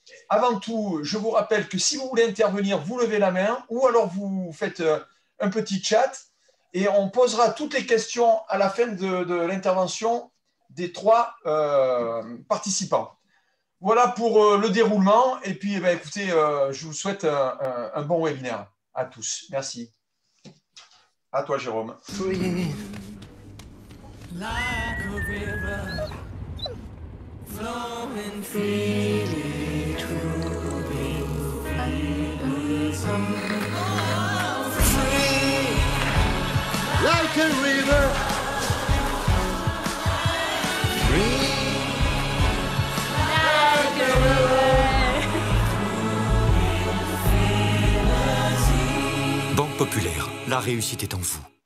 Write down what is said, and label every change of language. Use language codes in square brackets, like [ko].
[fr] Avant tout, je vous rappelle que si vous voulez intervenir, vous levez la main ou alors vous faites un petit chat et on posera toutes les questions à la fin de l'intervention des trois participants. Voilà pour le déroulement et puis eh bien, écoutez, je vous souhaite un bon webinaire à tous. Merci. À toi, Jérôme. Oui. [en] Like a river flowing freely. Like a river, free, like a river. [fr] Banque Populaire, la réussite est en vous.